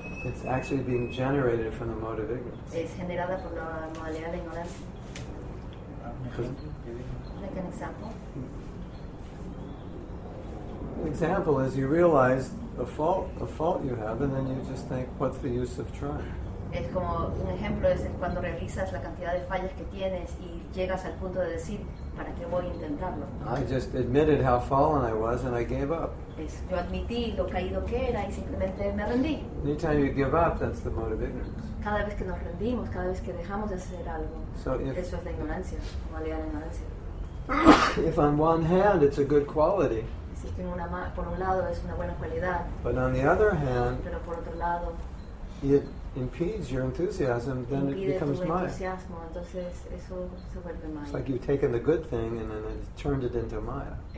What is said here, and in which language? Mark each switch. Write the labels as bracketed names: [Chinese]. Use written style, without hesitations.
[English] It's actually being generated from the mode of ignorance. [Spanish] Es generada por la modalidad de ignorancia. [English] Like an example? Example is you realize a fault you have, and then you just think, what's the use of trying? [Spanish] Es como un ejemplo, es cuando realizas la cantidad de fallas que tienes y llegas al punto de decir, ¿para qué voy a intentarlo? [English] I just admitted how fallen I was and I gave up. [Spanish] Es, yo admití lo caído que era y simplemente me rendí. [English] Anytime you give up, that's the mode of ignorance. [Spanish] Cada vez que nos rendimos, cada vez que dejamos de hacer algo, [English] so if, [Spanish] eso es la ignorancia, como la ignorancia. [English] If on one hand it's a good quality, [Spanish] si es que por un lado es una buena cualidad, [English] but on the other hand, [Spanish] pero por otro lado, [English] it impedes your enthusiasm, then it becomes Maya. It's like you've taken the good thing and then it's turned it into Maya.